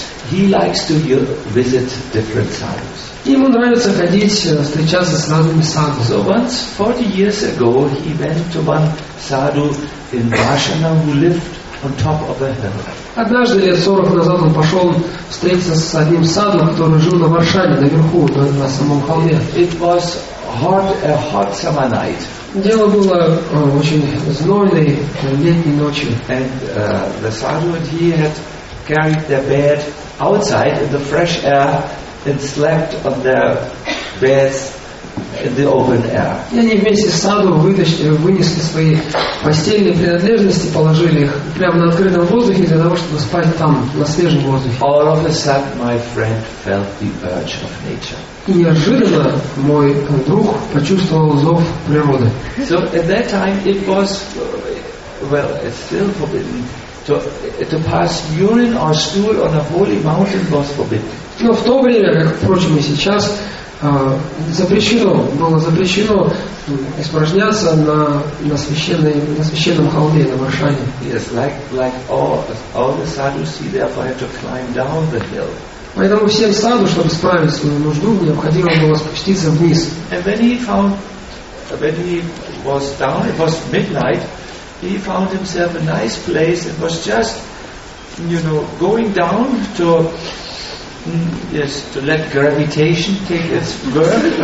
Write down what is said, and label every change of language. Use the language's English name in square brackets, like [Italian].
[English] He likes to visit different sadhus. [Russian] Ему нравится ходить, встречаться с разными садху. [English] So once 40 years ago he went to one sadhu in Vashana who lived on top of a hill. [Russian] Однажды лет 40 назад он пошел встретиться с одним садху, который жил на Варшане, наверху, на самом холме. [English] It was a hot summer night. [Russian] Дело было очень знойной летней ночью. [English] And the sadhu and he had carried their bed outside in the fresh air and slept on their beds in the open air. [Russian] И они вместе с саду вынесли свои постельные принадлежности, положили их прямо на открытом воздухе для того, чтобы спать там на свежем воздухе. [English] All of a sudden, my friend felt the urge of nature. [Russian] И неожиданно мой друг почувствовал зов природы. [English] So at that time it was well, it's still forbidden. To pass urine or stool on a holy mountain was forbidden. [Russian] Но в то время, как, впрочем, и сейчас, запрещено, было запрещено испражняться на священном холме, на Варшане. [English] Yes, like all the sadhus, therefore had to climb down the hill. [Russian] Поэтому всем саду, чтобы справить свою нужду, необходимо было спуститься вниз. [English] And when he found, when he was down, it was midnight, he found himself a nice place. It was just, you know, going down to, yes, to let gravitation take its work.